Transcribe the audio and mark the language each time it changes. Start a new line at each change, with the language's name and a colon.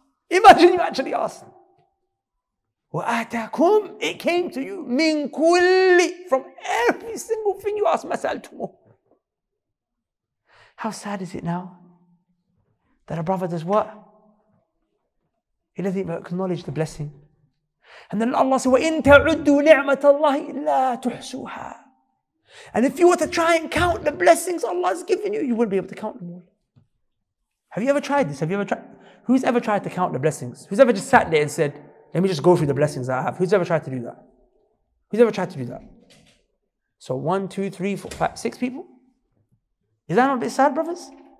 English: Imagine you actually asked. وَآتَاكُمْ, it came to you, مِنْ كُلِّ, from every single thing you asked, مَسَأَلْتُمُ. How sad is it now that a brother does what? He doesn't even acknowledge the blessing.
Arabic: And then Allah said, وَإِنْ تَعُدُّوا نِعْمَةَ اللَّهِ إِلَّا تُحْسُوهَا.
English: And if you were to try and count the blessings Allah has given you, you wouldn't be able to count them all. Have you ever tried this? Have you ever tried? Who's ever tried to count the blessings? Who's ever just sat there and said, let me just go through the blessings that I have? Who's ever tried to do that? Who's ever tried to do that? So 1, 2, 3, 4, 5, 6 people? Is that not a bit sad, brothers?